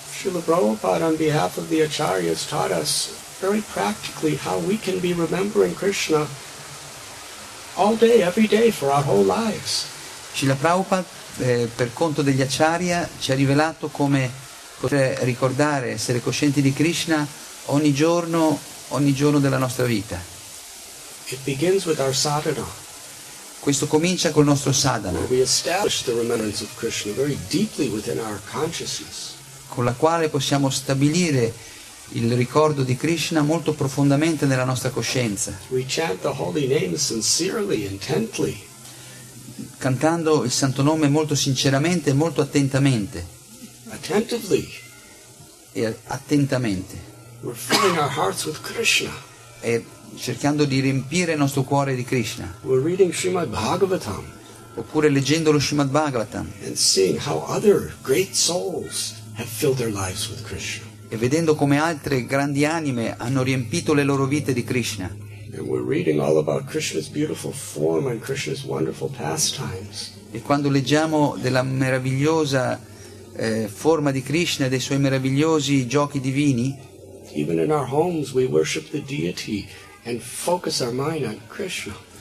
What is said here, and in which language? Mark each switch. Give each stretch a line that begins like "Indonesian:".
English: Srila Prabhupada, on behalf of the acharyas, taught us very practically how we can be remembering Krishna all day, every day, for our whole lives.
Italian: Srila Prabhupada, per conto degli acharya, ci ha rivelato come poter ricordare, essere coscienti di Krishna ogni giorno della nostra vita.
English: It begins with our sadhana.
Italian: Questo comincia col nostro sadhana.
English: We establish the remembrance of Krishna very deeply within our consciousness.
Italian: Con la quale possiamo stabilire il ricordo di Krishna molto profondamente nella nostra coscienza.
English: We chant the holy name sincerely, intently.
Italian: Cantando il santo nome molto sinceramente e molto attentamente.
English: Attentively.
Italian: E attentamente.
English: We're filling our hearts with Krishna.
Italian: E cercando di riempire il nostro cuore di Krishna.
English: We're reading Srimad Bhagavatam.
Italian: Oppure leggendo lo Srimad Bhagavatam.
English: And seeing how other great souls have filled their lives with Krishna.
Italian: E vedendo come altre grandi anime hanno riempito le loro vite di Krishna.
English: And we're reading all about Krishna's beautiful form and Krishna's wonderful pastimes.
Italian: E quando leggiamo della meravigliosa forma di Krishna e dei suoi meravigliosi giochi divini.
English: Even in our homes we worship the deity and focus our mind on Krishna.